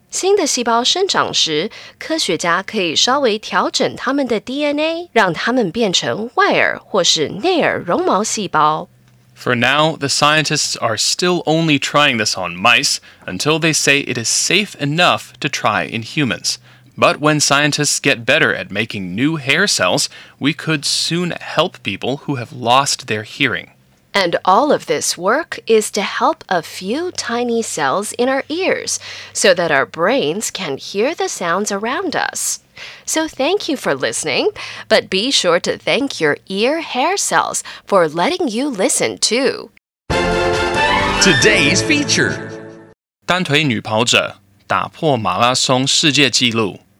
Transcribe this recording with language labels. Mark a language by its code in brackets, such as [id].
[zh] 新的细胞生长时，科学家可以稍微调整它们的 DNA， 让它们变成外耳或是内耳绒毛细胞。 [en] For now, the scientists are still only trying this on mice until they say it is safe enough to try in humans. But when scientists get better at making new hair cells, we could soon help people who have lost their hearing. And all of this work is to help a few tiny cells in our ears so that our brains can hear the sounds around us. So thank you for listening, but be sure to thank your ear hair cells for letting you listen too. Today's feature. [zh] 单腿女跑者打破马拉松世界纪录。